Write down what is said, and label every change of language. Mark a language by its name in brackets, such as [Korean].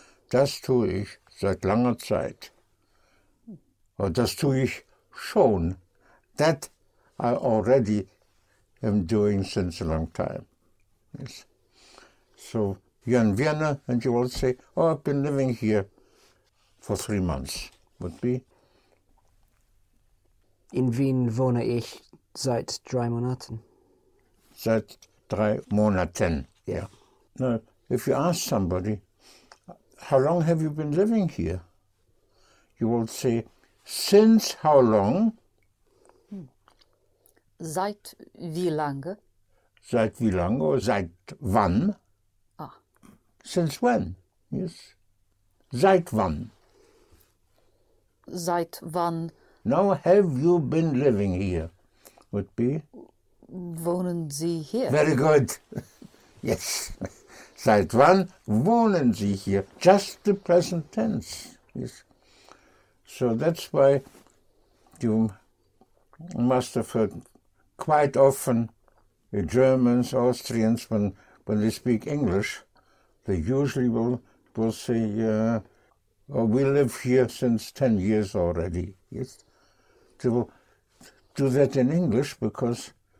[German] Das tue ich seit langer Zeit. Oh, das tue ich schon. [English] That I already am doing since a long time. Yes. So you're in Vienna and you will say, oh, I've been living here for 3 months. Would be? [German] In Wien wohne ich seit 3 Monaten. Seit 3 Monaten, yeah. [English] Now, if you ask somebody, how long have you been living here? You will say, since how long? [German] Seit wie lange? Seit wie lange or seit wann? Ah. [English] Since when? Yes. [German] Seit wann? Seit wann? [English] Now, have you been living here? Would be? [German] Wohnen Sie hier? [English] Very good. Yes. [German] Seit wann wohnen Sie hier? [English] Just the present tense. Yes. So that's why you must have heard quite often the Germans, Austrians, when they speak English, they usually will say, we live here since 10 years already. Yes. They will do that in English because